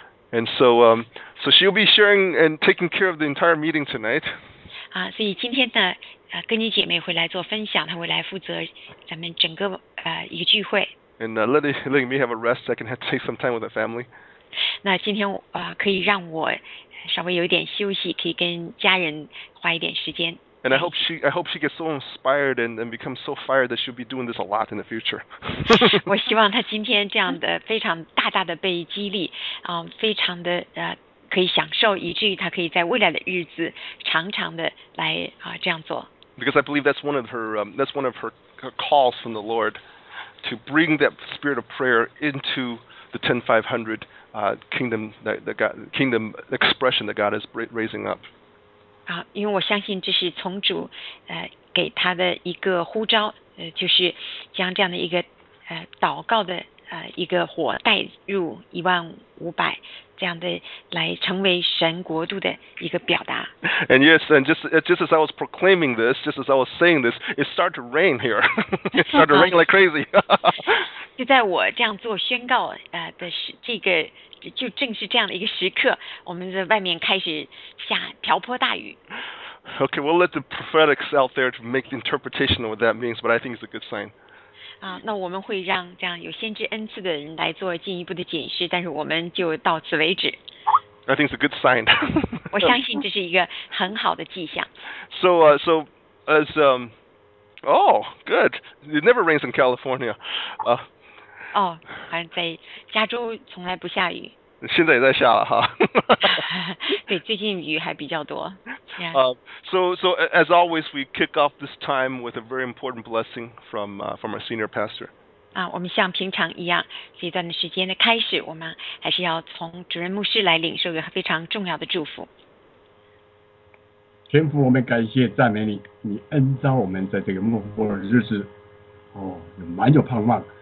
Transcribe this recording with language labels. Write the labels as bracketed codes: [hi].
[en] And so, she'll be sharing and taking care of the entire meeting tonight. [zh] 所以今天呢，跟你姐妹会来做分享，她会来负责咱们整个一个聚会。 [en] And letting me have a rest, I can have to take some time with the family. [zh] 那今天可以让我稍微有点休息，可以跟家人花一点时间。 [en] And I hope she gets so inspired and becomes so fired that she'll be doing this a lot in the future. [zh] 我希望她今天这样的非常大大的被激励，非常的可以享受，以至于她可以在未来的日子常常的来这样做。 [en] Because I believe that's one of her that's one of her calls from the Lord to bring that spirit of prayer into the 10500 kingdom kingdom expression that God is raising up. [zh] 因为我相信这是从主给他的一个呼召，就是将这样的一个祷告的一个火带入1500，这样的来成为神国度的一个表达。 [en] And yes, and just as I was proclaiming this, just as I was saying this, it started to rain here. It started to rain like crazy. [zh] 就在我这样做宣告的这个。就正是这样的一个时刻，我们在外面开始下瓢泼大雨。 [en] Okay, we'll let the prophetics out there to make the interpretation of what that means, but I think it's a good sign. [zh] 那我们会让这样有先知恩赐的人来做进一步的解释，但是我们就到此为止。 [en] I think it's a good sign. [zh] 我相信这是一个很好的迹象。 [en] So, as Oh, good. It never rains in California. [zh] 哦，好像在加州从来不下雨。现在也在下了哈。对，最近雨还比较多。 [en] So as always, we kick off this time with a very important blessing from our senior pastor. [zh] 啊，我们像平常一样，这段的时间的开始，我们还是要从主任牧师来领受一个非常重要的祝福。天父，我们感谢赞美你，你恩召我们在这个幕后的日子，哦，蛮有盼望。